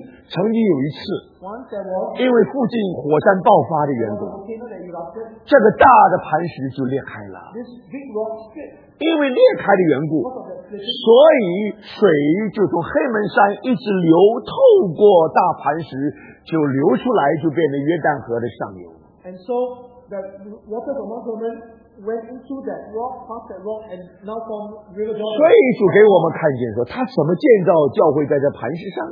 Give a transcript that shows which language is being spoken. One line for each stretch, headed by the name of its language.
Chinese: 曾经有一次，因为附近火山爆发的缘故，这个大的磐石就裂开了。因为裂开的缘故，所以水就从黑门山一直流，透过大磐石就流出来，就变成约旦河的上游。
English: And so the water from Mount Hermon went into that rock, past that rock, and now from River Jordan.
Chinese: 所以主给我们看见说，他怎么建造教会在这磐石上？